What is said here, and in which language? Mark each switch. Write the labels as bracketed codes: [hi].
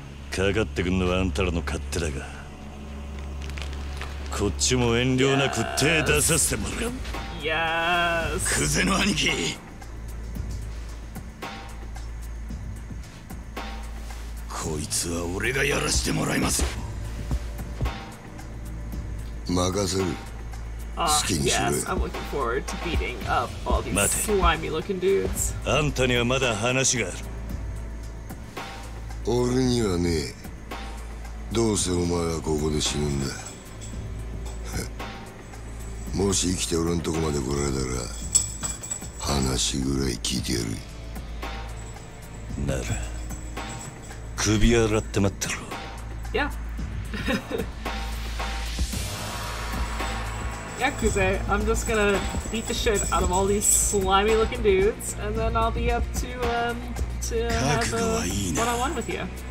[ja] かかってくんのはあんたらの勝手だが、こっちも遠慮なく手出させてもらう。やーす。クゼの兄貴。こいつは俺がやらしてもらいます。任せる。好きにしろ。 [en] Yes, I'm looking forward to beating up all these slimy-looking dudes. [ja] あんたにはまだ話がある。俺にはねえ。どうせお前はここで死ぬんだ。もし生きて俺のとこまで来られたら、話ぐらい聞いてやる。なら、首洗って待ってろ。いや。 [en] Yakuza, I'm just gonna beat the shit out of all these slimy looking dudes and then I'll be up to have a one-on-one with you.